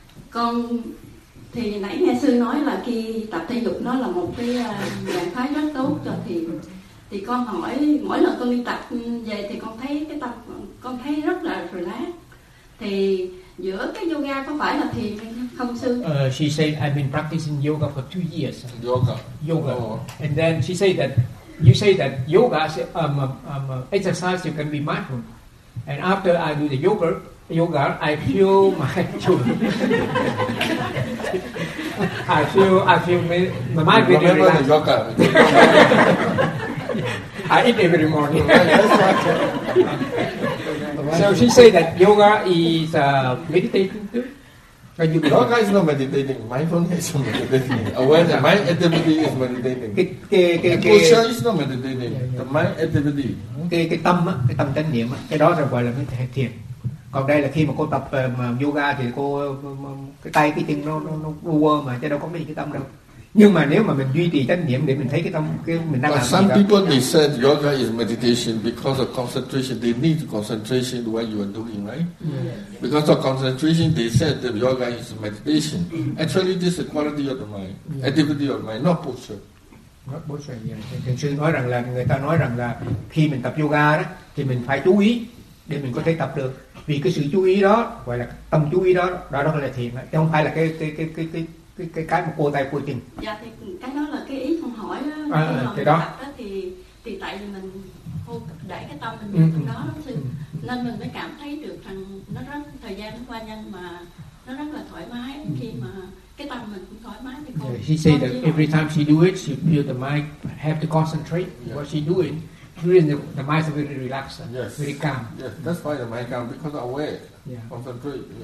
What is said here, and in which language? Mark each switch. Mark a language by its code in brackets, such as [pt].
[vi] Con thì nãy nghe sư nói là khi tập thể dục nó là một cái trạng thái rất tốt cho thiền. Thì con hỏi mỗi lần con đi tập về thì con thấy cái tập con thấy rất là relax. Thì giữa cái yoga có phải là thiền không sư? [en] She said I've been practicing yoga for 2 years. Yoga. Oh. And then she said that you say that yoga is exercise you can be mindful, and after I do the yoga, I feel my I feel my mind being relaxed. Remember the yoga. I eat every morning. So she say that yoga is meditating too. Yoga is not meditating. Mindfulness is meditating. Awareness, mind activity is meditating. Posture is not meditating. The mind activity. [vi] Cái tâm chánh niệm, cái đó là gọi là cái thiền. Còn đây là khi mà cô tập yoga thì cô cái tay cái chân nó đua mà chứ đâu có mấy cái tâm đâu. Nhưng mà nếu mà mình duy trì chánh niệm để mình thấy cái tâm cái mình đang làm gì. [en] Some people they said yoga is meditation because of concentration. They need concentration to what you are doing, right? Yeah. Because of concentration, they said that yoga is meditation. Actually, this is quality of the mind, activity of mind, not posture. Not posture. [vi] Thiền sư nói rằng là người ta nói rằng là khi mình tập yoga đó thì mình phải chú ý để mình có thể tập được. Vì cái sự chú ý đó gọi là tâm chú ý đó, đó là thiền, chứ không phải là cái mà cô tay cô chừng. Dạ thì cái đó là cái ý con hỏi đó. Khi mà thì mình đó. Tập đó thì tại vì mình đẩy cái tâm mình vào trong đó thì nên mình mới cảm thấy được rằng nó rất thời gian nó qua nhanh mà nó rất là thoải mái khi mà cái tâm mình cũng thoải mái thì cô. [en] Yeah, she said that every time she do it, she feel the mind have to concentrate what she doing. The mind is very relaxed, yes. Very calm. Yes, that's why the mind calm, because of aware, concentrate.